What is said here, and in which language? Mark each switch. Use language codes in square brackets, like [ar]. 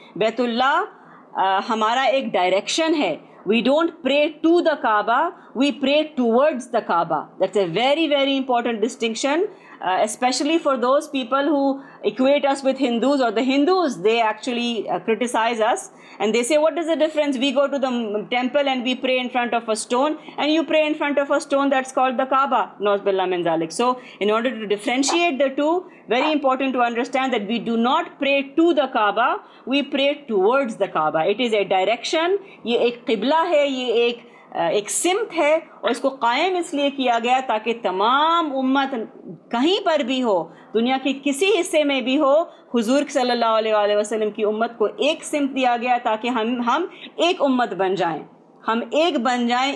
[ur] بیت اللہ ہمارا ایک ڈائریکشن ہے. [en] We don't pray to the Kaaba, we pray towards the Kaaba. That's a very, very important distinction, especially for those people who equate us with Hindus or the Hindus. They actually criticize us and they say, what is the difference? We go to the temple and we pray in front of a stone and you pray in front of a stone that's called the Kaaba. Nauz billah min zalik. So in order to differentiate the two, very important to understand that we do not pray to the Kaaba, we pray towards the Kaaba. It is a direction, [ur] ye ek qibla hai, ye ek ایک سمت ہے اور اس کو قائم اس لیے کیا گیا تاکہ تمام امت کہیں پر بھی ہو، دنیا کے کسی حصے میں بھی ہو، حضور صلی اللہ علیہ وسلم کی امت کو ایک سمت دیا گیا تاکہ ہم ایک امت بن جائیں، ہم ایک بن جائیں.